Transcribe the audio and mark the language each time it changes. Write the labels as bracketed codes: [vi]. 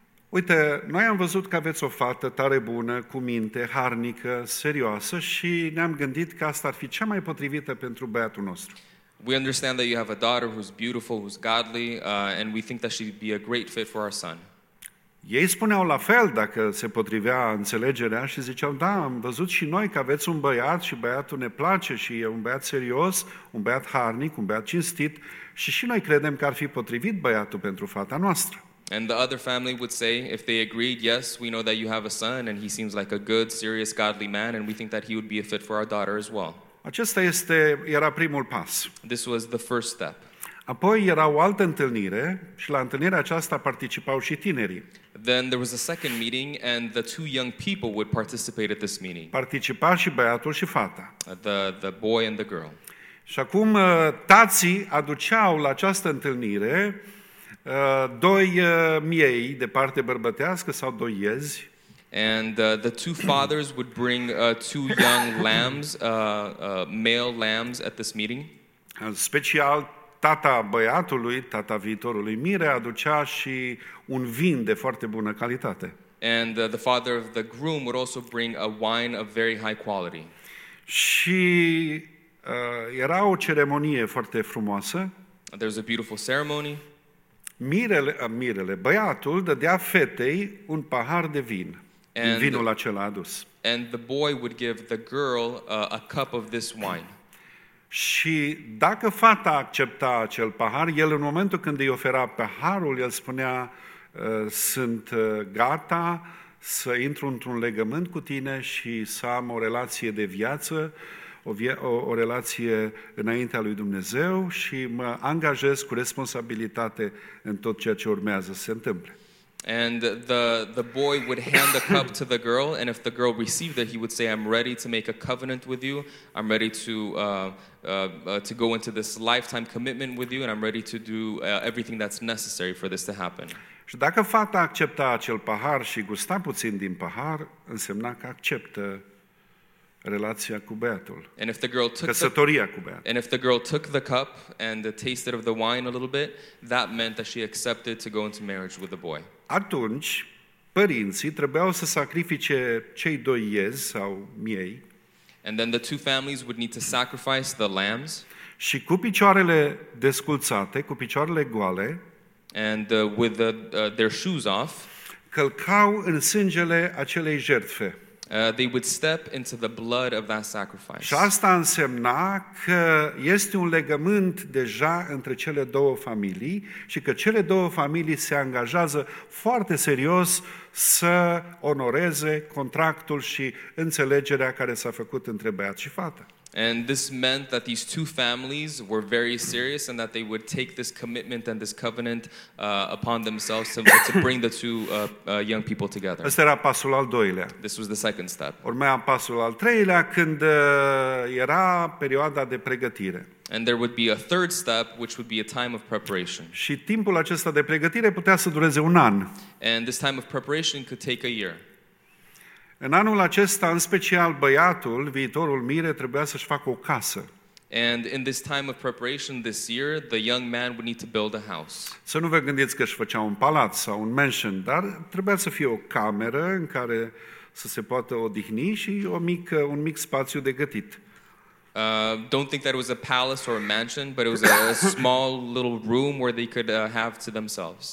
[ro] Uite, noi am văzut că aveți o fată tare bună, cu minte, harnică, serioasă și ne-am gândit că asta ar fi cea mai potrivită pentru băiatul nostru. [en] We understand that you have a daughter who's beautiful, who's godly, and we think that she'd be a great fit for our son. [ro] Ei spuneau la fel dacă se potrivea înțelegerea și ziceau, da, am văzut și noi că aveți un băiat și băiatul ne place și e un băiat serios, un băiat harnic, un băiat cinstit și noi credem că ar fi potrivit băiatul pentru fata noastră. [en] And the other family would say, if they agreed, yes, we know that you have a son, and he seems like a good, serious, godly man, and we think that he would be a fit for our daughter as well. [ro] Acesta este, era primul pas. [en] This was the first step. [ro] Apoi era o altă întâlnire, și la întâlnirea aceasta participau și tinerii. [en] Then there was a second meeting, and the two young people would participate at this meeting. [ro] Participa și băiatul și fata. [en] The boy and the girl. [ro] Și acum tații aduceau la această întâlnire doi miei de parte bărbătească sau doi iezi. [en] And the two fathers would bring two young lambs, male lambs at this meeting. [ro] În special tata băiatului, tata viitorului mire, aducea și un vin de foarte bună calitate. [en] And the father of the groom would also bring a wine of very high quality. [ro] Și era o ceremonie foarte frumoasă. [en] There was a beautiful ceremony. [ro] Mirele, băiatul dădea fetei un pahar de vin. [en] And [ro] vinul acela adus. [en] And the boy would give the girl a cup of this wine. [ro] Și dacă fata accepta acel pahar, el în momentul când îi ofera paharul, el spunea: sunt gata să intru într-un legământ cu tine și să am o relație de viață, o relație înaintea lui Dumnezeu și mă angajez cu responsabilitate în tot ceea ce urmează să se întâmple. [en] And the boy would hand the cup to the girl, and if the girl received it, he would say, I'm ready to make a covenant with you, I'm ready to go into this lifetime commitment with you, and I'm ready to do everything that's necessary for this to happen. [ro] Și dacă fata accepta acel pahar și gusta puțin din pahar, însemna că acceptă relația cu băiatul. [en] And if the girl took [ro] căsătoria cu băiatul. [en] And if the girl took the cup and tasted of the wine a little bit, that meant that she accepted to go into marriage with the boy. [ro] Atunci, părinții trebuiau să sacrifice cei doi iezi sau miei. [en] And then the two families would need to sacrifice the lambs. [ro] Și cu picioarele desculțate, cu picioarele goale, [en] and with their shoes off, [ro] călcau în sângele acelei jertfe. [en] They would step into the blood of that sacrifice. [ro] Și asta însemna că este un legământ deja între cele două familii și că cele două familii se angajează foarte serios să onoreze contractul și înțelegerea care s-a făcut între băiat și fată. [en] And this meant that these two families were very serious and that they would take this commitment and this covenant upon themselves to bring the two young people together. [ro] Asta era pasul al doilea. [en] This was the second step. [ro] Urmea pasul al treilea când era perioada de pregătire. [en] And there would be a third step, which would be a time of preparation. [ro] Și timpul acesta de pregătire putea să dureze un an. [en] And this time of preparation could take a year. [ro] În anul acesta, în special, băiatul, viitorul mire, trebuia să-și facă o casă. [en] And in this time of preparation this year, the young man would need to build a house. [ro] Să nu vă gândiți că își făcea un palat sau un mansion, dar trebuia să fie o cameră în care să se poată odihni și un mic spațiu de gătit. [en] Don't think that it was a palace or a mansion, but it was a small little room where they could have to themselves.